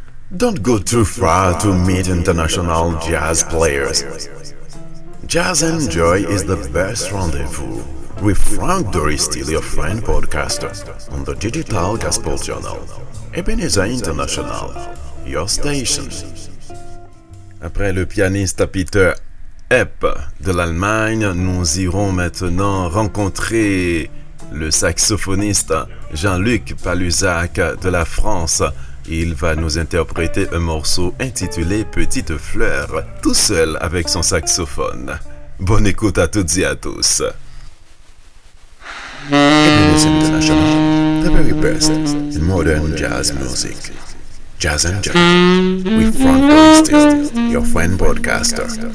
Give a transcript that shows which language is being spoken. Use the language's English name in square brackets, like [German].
[English] Don't go too far to meet international jazz players. Jazz and Joy is the best rendezvous with Frank Doristil, your friend podcaster, on the Digital Gospel Journal, Ebenezer International, your station. [French] Après le pianiste Peter Epp de l'Allemagne, nous irons maintenant rencontrer le saxophoniste Jean-Luc Paluzac de la France. Il va nous interpréter un morceau intitulé « Petite fleur » tout seul avec son saxophone. Bonne écoute à toutes et à tous. [English] Phoenix International, the very best in modern jazz music. Jazz and Joy, with Frank Oistis, your friend broadcaster.